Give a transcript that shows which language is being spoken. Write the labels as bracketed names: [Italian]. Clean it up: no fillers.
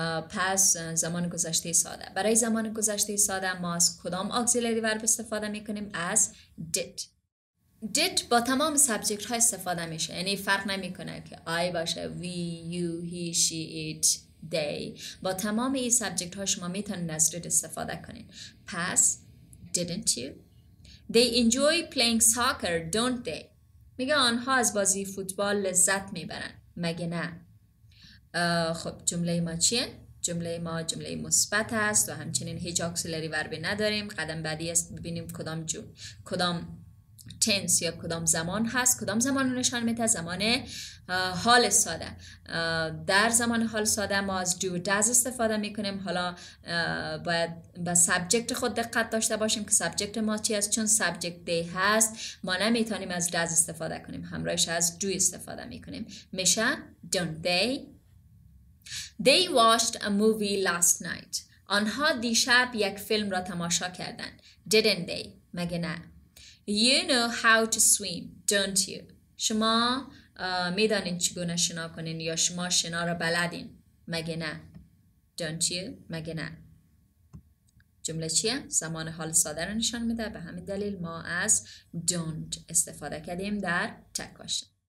[Persian] پس زمان گذشته ساده. برای زمان گذشته ساده ما از کدام auxiliary verb استفاده میکنیم؟ از did. did با تمام سابجکت ها استفاده میشه، یعنی فرق نمیکنه که I باشه، we، you، he، she، it، [English] they. [Persian] با تمام این سبجکت ها شما میتونین از did استفاده کنین. [English] پس didn't you? They enjoy playing soccer, don't they? [Persian] میگه آنها از بازی فوتبال لذت میبرن. مگه نه؟ خب جمله ما چیه؟ جمله ما جمله مثبت است و همچنین هیچ اکسلری وربی نداریم. قدم بعدی است ببینیم کدام جون کدام تنس یا کدام زمان هست. کدام زمان رو نشان میده؟ زمان حال ساده. در زمان حال ساده ما از do does استفاده میکنیم. حالا باید به سبجکت خود دقت داشته باشیم که سبجکت ما چی است. چون سبجکت they هست ما نمیتونیم از does استفاده کنیم، همراهش از do استفاده میکنیم. میشه [English] don't they. They watched a movie last night. [Persian] آنها دیشب یک فیلم را تماشا کردند. [English] Didn't they? [Persian] مگه نه؟ [English] You know how to swim, don't you? [Persian] شما میدانین چگونه شنا کنین یا شما شنا را بلدین؟ مگه نه؟ [English] Don't you? [Persian] مگه نه؟ جمله چیه؟ زمان حال ساده را نشان میده. به همین دلیل ما از don't استفاده کردیم در تکاشن.